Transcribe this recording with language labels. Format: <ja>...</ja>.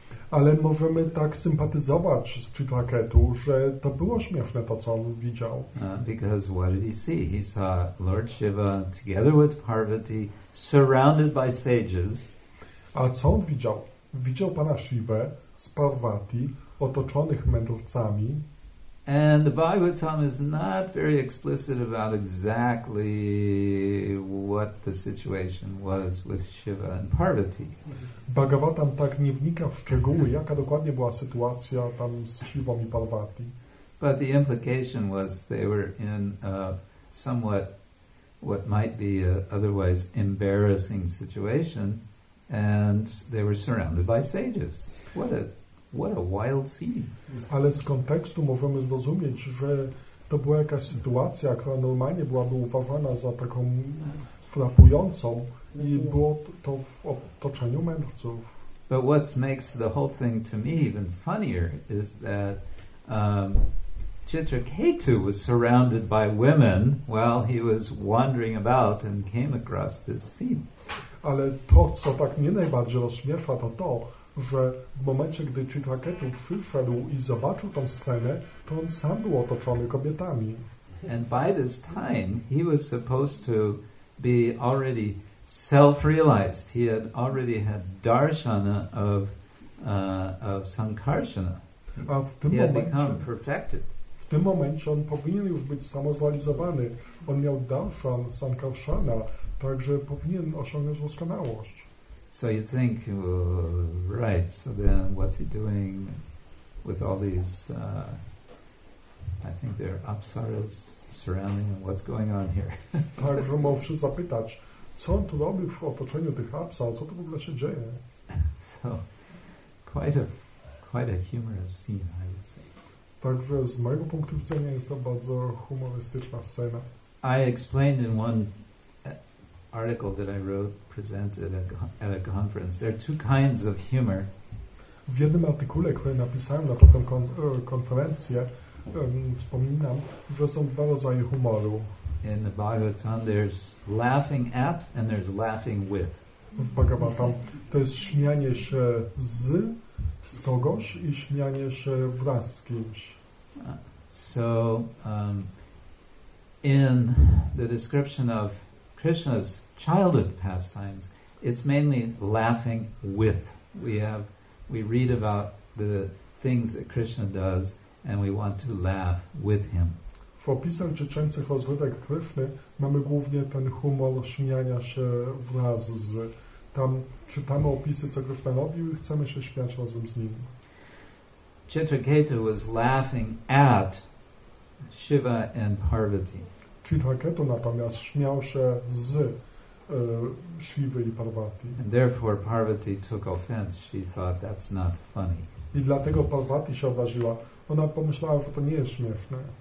<pl>Ale możemy tak sympatyzować z Chitraketu, że to było śmieszne to, co on widział.</pl> <en>Because what did he see? He saw Lord Shiva together with Parvati, surrounded by sages.</en> <pl>A co on widział? Widział Pana Shivę z Parvati, otoczonych mędrcami.</pl> <en>And the Bhagavatam is not very explicit about exactly what the situation was with Shiva and Parvati.</en> <pl>Bhagavatam tak nie wnika w szczegóły, jaka dokładnie była sytuacja tam z Shivą i Parvati.</pl> <en>But the implication was they were in a somewhat what might be a otherwise embarrassing situation, and they were surrounded by sages. What a wild scene.</en> <pl>Ale z kontekstu możemy zrozumieć, że to była jakaś sytuacja, która normalnie byłaby uważana za taką frapującą i było to w otoczeniu mędrców.</pl> <en>But what makes the whole thing to me even funnier is that Chitraketu was surrounded by women while he was wandering about and came across this scene.</en> <pl>Ale to, co tak mnie najbardziej rozśmiesza, to to, że w momencie, gdy Chitraketu przyszedł i zobaczył tą scenę, to on sam był otoczony kobietami.</pl> <en>And by this time, he was supposed to be already self-realized. He had already had darshana of Sankarsana. He had become perfected.</en> <pl>W tym momencie on powinien już być samozrealizowany. On miał darshan Sankarsana, także powinien osiągnąć doskonałość.</pl> <en>So you think, right, so then what's he doing with all these, I think they're apsaras surrounding him, what's going on here?</en> <pl>Także muszę zapytać, co on tu robi w otoczeniu tych apsar, co tu w ogóle się dzieje?</pl> <en>So, quite a humorous scene, I would say.</en> <pl>Także z mojego punktu widzenia jest to bardzo humorystyczna scena.</pl> <en>I explained in one article that I wrote, presented at a conference. There are two kinds of humor.</en> <pl>W jednym artykule, który napisałem na taką konferencję, wspominam, że są dwa rodzaje humoru.</pl> <en>In the Bhagavatam, there's laughing at and there's laughing with.</en> <pl>W Bhagavatam to jest śmianie się z kogoś i śmianie się wraz z kimś.</pl> <en>So, in the description of Krishna's childhood pastimes, it's mainly laughing with. We read about the things that Krishna does and we want to laugh with him.</en> <pl>W opisach dziecięcych rozrywek Kryszny mamy głównie ten humor śmiania się wraz z. Tam czytamy opisy, co Kryszna robił i chcemy się śmiać razem z nim.</pl> <en>Chitraketu was laughing at Shiva and Parvati.</en> <pl>Chitraketu natomiast śmiał się z Shivy i Parvati.</pl> <en>And therefore Parvati took offense. She thought that's not funny.</en> <pl>I dlatego Parvati się obraziła. Ona pomyślała, że to nie jest śmieszne.</pl>